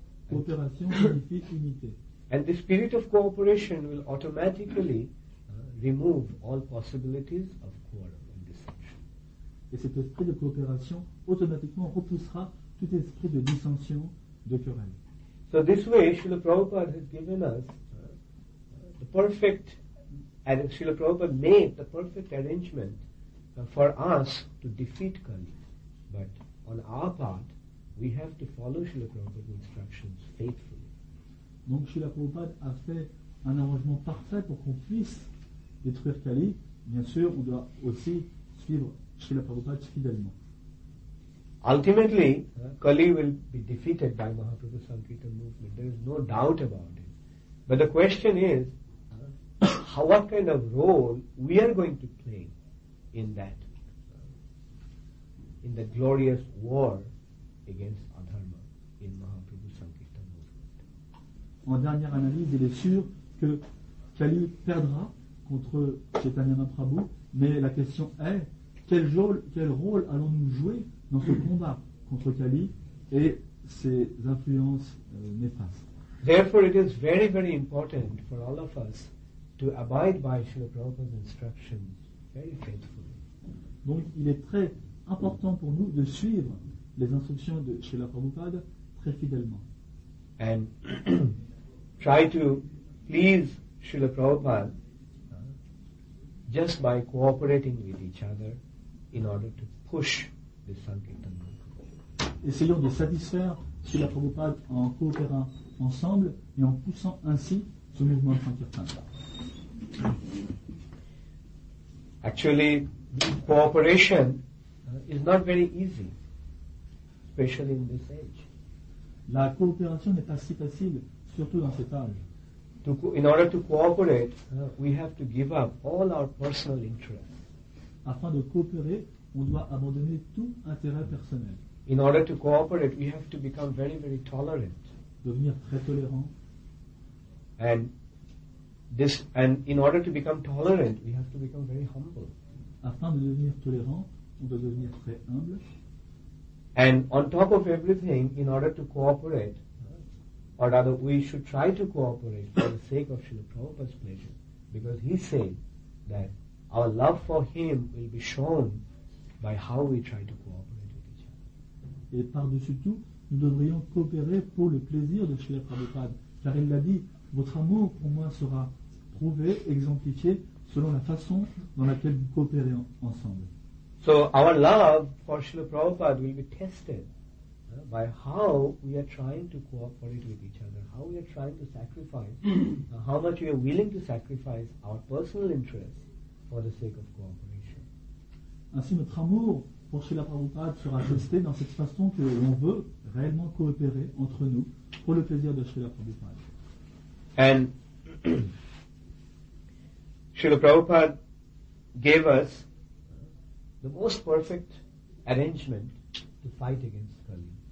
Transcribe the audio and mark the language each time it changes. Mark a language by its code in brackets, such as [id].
[fr] Coopération signifie unité. [en] And the spirit of cooperation will automatically remove all possibilities of quarrel and dissension. [fr] Et cet esprit de coopération automatiquement repoussera tout esprit de dissension, de querelle. [en] So this way Srila Prabhupada has given us perfect, and Srila Prabhupada made the perfect arrangement for us to defeat Kali. But on our part, we have to follow Srila Prabhupada's instructions faithfully. [fr] Donc Srila Prabhupada a fait un arrangement parfait pour qu'on puisse détruire Kali. Bien sûr, on doit aussi suivre Srila Prabhupada fidèlement. [en] Ultimately, Kali will be defeated by Mahaprabhu Sankirtan movement. There is no doubt about it. But the question is, what kind of role we are going to play in the glorious war against Adharma in Mahaprabhu Sankirtan movement. [fr] En dernière analyse, il est sûr que Kali perdra contre Chaitanya Mahaprabhu, mais la question est, quel rôle allons-nous jouer dans ce combat contre Kali et ses influences néfastes. [en] Therefore, it is very, very important for all of us to abide by Srila Prabhupada's instructions very faithfully. [fr] Donc il est très important pour nous de suivre les instructions de Srila Prabhupada très fidèlement. [en] And try to please Srila Prabhupada, just by cooperating with each other in order to push the Sankirtan movement. [fr] Essayons de satisfaire Srila Prabhupada en coopérant ensemble et en poussant ainsi ce mouvement de Sankirtan. [en] Actually, cooperation is not very easy, especially in this age. [fr] La coopération n'est pas si facile, surtout dans cet âge. [en] In order to cooperate, we have to give up all our personal interests. [fr] Afin de coopérer, on doit abandonner tout intérêt personnel. [en] In order to cooperate, we have to become very, very tolerant. [fr] Devenir très tolérant. [en] And in order to become tolerant, we have to become very humble. [fr] Afin de devenir tolérant, on doit devenir très humble. [en] And on top of everything, in order to cooperate, or rather, we should try to cooperate for the sake of Srila Prabhupada's pleasure, because he said that our love for him will be shown by how we try to cooperate with each other. [fr] Et par-dessus tout, nous devrions coopérer pour le plaisir de Srila Prabhupada, car il l'a dit, votre amour pour moi sera prouvé, exemplifié, selon la façon dans laquelle vous coopérez ensemble. [en] So our love for Srila Prabhupada will be tested by how we are trying to cooperate with each other, how we are trying to sacrifice, how much we are willing to sacrifice our personal interests for the sake of cooperation. [fr] Ainsi, notre amour pour Srila Prabhupada sera testé dans cette façon que l'on veut réellement coopérer entre nous pour le plaisir de Srila Prabhupada. [en] And Srila Prabhupada gave us the most perfect arrangement to fight against Kali.